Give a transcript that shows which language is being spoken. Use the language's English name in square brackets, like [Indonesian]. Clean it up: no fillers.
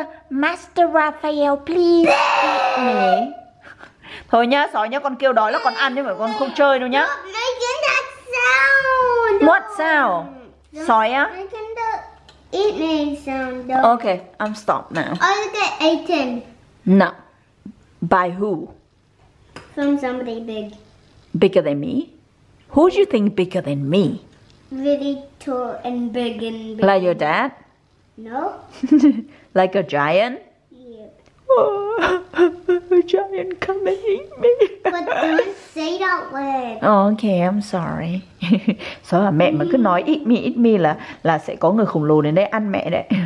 [English] Master Raphael, please eat me. [Vietnamese] Thôi nhá, sói nhá, con kêu đói là con ăn chứ phải con không chơi đâu nhá. [English] Making that sound. What sound? [Vietnamese] Sói á? [English] Eat me sound. Okay, I'm stop now. Are you get eaten? No. By who? From somebody big. Bigger than me? Who do you think bigger than me? Really tall and big and big. Like your dad? No. Like a giant? Yep. Oh, a giant come and eat me. But don't say that word. Oh, okay, I'm sorry. [Vietnamese] Sao là mẹ mà cứ nói [English] eat me [Vietnamese] là sẽ có người khổng lồ đến đây ăn mẹ đấy.